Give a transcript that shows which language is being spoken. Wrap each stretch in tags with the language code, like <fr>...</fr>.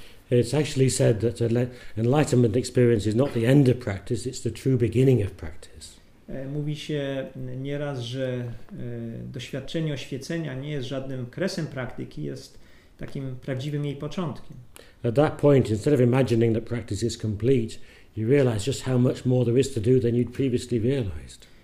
<en>It's actually said that enlightenment experience is not the end of practice, it's the true beginning of practice.</en> <pl>Mówi się nieraz, że doświadczenie oświecenia nie jest żadnym kresem praktyki, jest takim prawdziwym jej początkiem.</pl> <en>At that point, instead of imagining that practice is complete, you realize just how much more there is to do than you'd previously realized.</en>